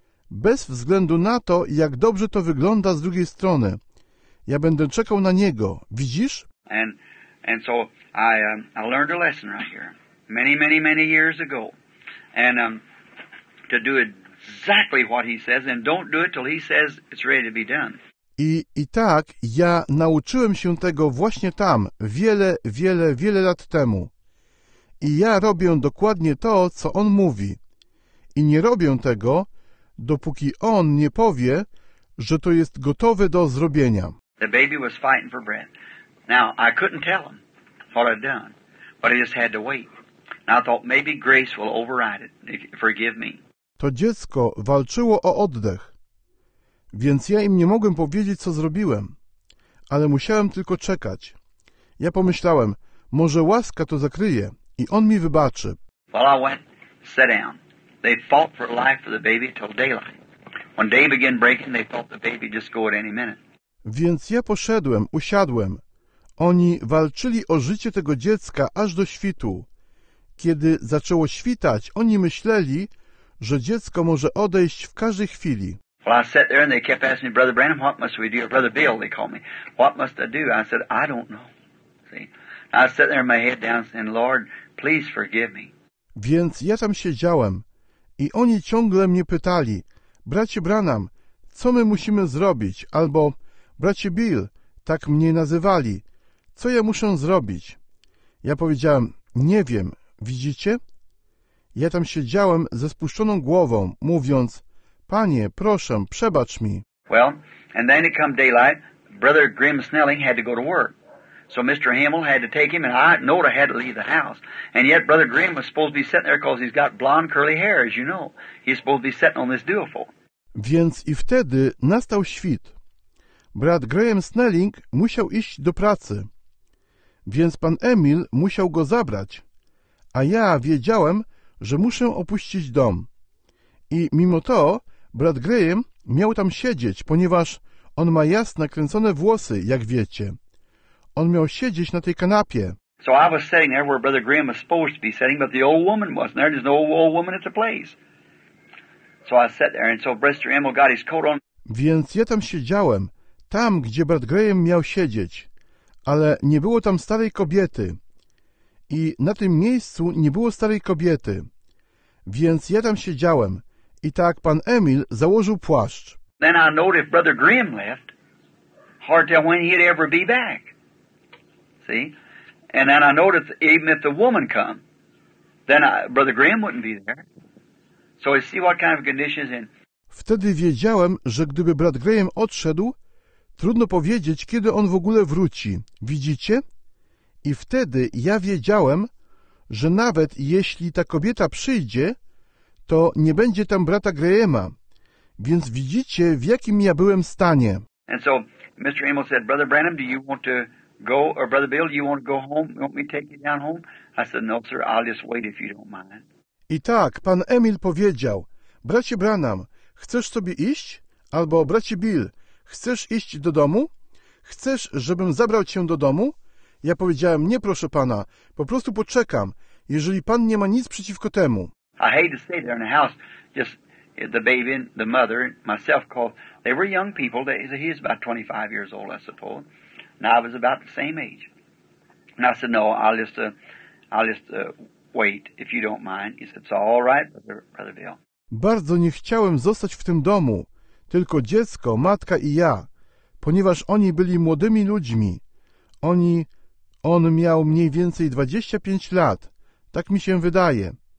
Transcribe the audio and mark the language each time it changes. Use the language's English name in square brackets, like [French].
[Polish] Bez względu na to, jak dobrze to wygląda z drugiej strony. Ja będę czekał na Niego. Widzisz? [English] And so I learned a lesson right here. Many, many, many years ago. And to do exactly what he says, and don't do it till he says it's ready to be done. [Polish] I tak ja nauczyłem się tego właśnie tam, wiele, wiele, wiele lat temu. I ja robię dokładnie to, co on mówi. I nie robię tego, dopóki on nie powie, że to jest gotowe do zrobienia. [English] The baby was fighting for breath. Now, I couldn't tell him what I'd done, but I just had to wait. I thought maybe grace will override it. Forgive me. [Polish] To dziecko walczyło o oddech, więc ja im nie mogłem powiedzieć, co zrobiłem, ale musiałem tylko czekać. Ja pomyślałem, może łaska to zakryje i on mi wybaczy. [English] Well, I went, sat down. They fought for life for the baby till daylight. When day began breaking, they thought the baby just go at any minute. [Polish] Więc ja poszedłem, usiadłem. Oni walczyli o życie tego dziecka aż do świtu. Kiedy zaczęło świtać, oni myśleli, że dziecko może odejść w każdej chwili. [English] Well, I sat there and they kept asking me, Brother Branham, what must we do? Brother Bill, they call me. What must I do? I said, I don't know. See? I sat there with my head down saying, Lord, please forgive me. [Polish] Więc ja tam siedziałem i oni ciągle mnie pytali, bracie Branham, co my musimy zrobić? Albo, bracie Bill, tak mnie nazywali, co ja muszę zrobić? Ja powiedziałem, nie wiem. Widzicie? Ja tam siedziałem ze spuszczoną głową, mówiąc, Panie, proszę, przebacz mi. [English] Well, and then it come daylight, Brother Grim Snelling had to go to work. So Mr. Hamill had to take him, and I knowed I had to leave the house. And yet Brother Grim was supposed to be sitting there because he's got blonde curly hair, as you know. He's supposed to be sitting on this duofold. [Polish] Więc i wtedy nastał świt. brat Graham Snelling musiał iść do pracy, więc pan Emil musiał go zabrać, a ja wiedziałem, że muszę opuścić dom. I mimo to brat Graham miał tam siedzieć, ponieważ on ma jasne, kręcone włosy, jak wiecie. On miał siedzieć na tej kanapie. [English] So I was sitting there where brother Graham was supposed to be sitting, but the old woman wasn't there. There's no old woman at the place. So I sat there, and so Brother Emil got his coat on. [Polish] Więc ja tam siedziałem, tam, gdzie brat Graham miał siedzieć, ale nie było tam starej kobiety. I na tym miejscu nie było starej kobiety. Więc ja tam siedziałem i tak pan Emil założył płaszcz. [English] Then I know if brother Graham left, hard to tell when he'd ever be back. See? And then I noticed even if the woman come, then brother Graham wouldn't be there. So I see what kind of condition is in. [Polish] Wtedy wiedziałem, że gdyby brat Graham odszedł, trudno powiedzieć, kiedy on w ogóle wróci. Widzicie? I wtedy ja wiedziałem, że nawet jeśli ta kobieta przyjdzie, to nie będzie tam brata Grahama. Więc widzicie, w jakim ja byłem stanie. [English] And so Mr. Emil said, Brother Branham, do you want to go, or Brother Bill, do you want to go home? You want me to take you down home? I said, no, sir, I'll just wait if you don't mind. [Polish] I tak, pan Emil powiedział, bracie Branham, chcesz sobie iść? Albo bracie Bill, chcesz iść do domu? Chcesz, żebym zabrał cię do domu? Ja powiedziałem, nie proszę pana, po prostu poczekam, jeżeli pan nie ma nic przeciwko temu. [English] I hate to stay there in the house, just the baby, the mother, myself called. They were young people, he was about 25 years old, I suppose. And I was about the same age. And I said, no, I'll just wait, if you don't mind. He said, it's all right, brother Bill. [Polish] Bardzo nie chciałem zostać w tym domu, tylko dziecko, matka i ja, ponieważ oni byli młodymi ludźmi. On miał mniej więcej 25 lat, tak mi się wydaje.